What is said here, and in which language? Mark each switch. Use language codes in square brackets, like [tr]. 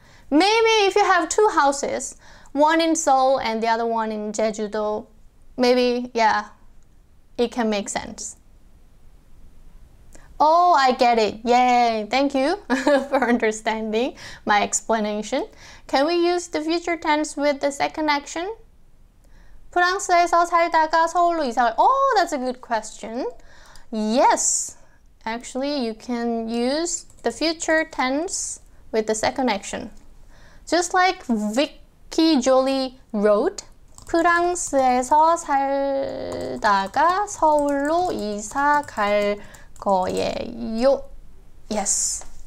[en] Maybe if you have two houses, one in Seoul and the other one in Jeju-do, maybe, yeah, it can make sense. Oh, I get it. Yay. Thank you for understanding my explanation. Can we use the future tense with the second action? [ko] 프랑스에서 살다가 서울로 이사. [en] Oh, that's a good question. Yes. Actually, you can use the future tense with the second action. Just like Vicky Jolie wrote, [ko] 프랑스에서 살다가 서울로 이사 갈 거예요. [en] Yes.